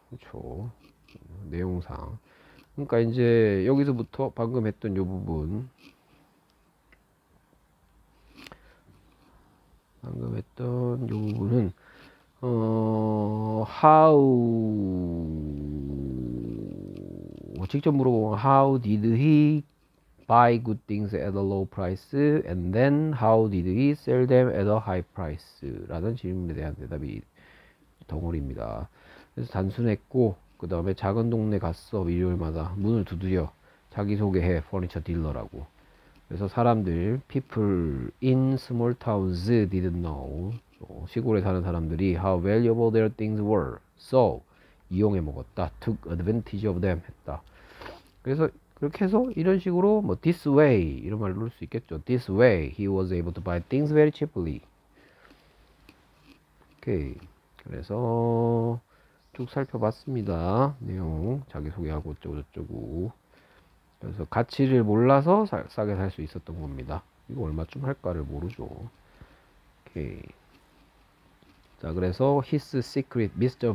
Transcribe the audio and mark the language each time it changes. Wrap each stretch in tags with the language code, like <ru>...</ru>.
<ko>그렇죠. 내용상. 그러니까 이제 여기서부터 방금 했던 요 부분 how 직접 물어보면</ko> <en>how did he buy good things at a low price and then how did he sell them at a high price</en> <ko>라는 질문에 대한 대답이 덩어리입니다. 그래서 단순했고 그 다음에 작은 동네 갔어. 일요일마다 문을 두드려 자기소개해 퍼니처 딜러라고. 그래서 사람들</ko> <en>people in small towns didn't know.</en> <ko>시골에 사는 사람들이</ko> <en>how valuable their things were. so</en> <ko>이용해 먹었다.</ko> <en>took advantage of them</en> <ko>했다. 그래서 그렇게 해서 이런 식으로 뭐</ko> <en>this way</en> <ko>이런 말을 넣을 수 있겠죠.</ko> <en>this way he was able to buy things very cheaply.</en> <ko>오케이. 그래서 쭉 살펴봤습니다. 내용 자기소개하고 어쩌고 저쩌고. 그래서 가치를 몰라서 싸게 살수 있었던 겁니다. 이거 얼마쯤 할까를 모르죠. 오케이. 자, 그래서 his secret, Mr.</ko>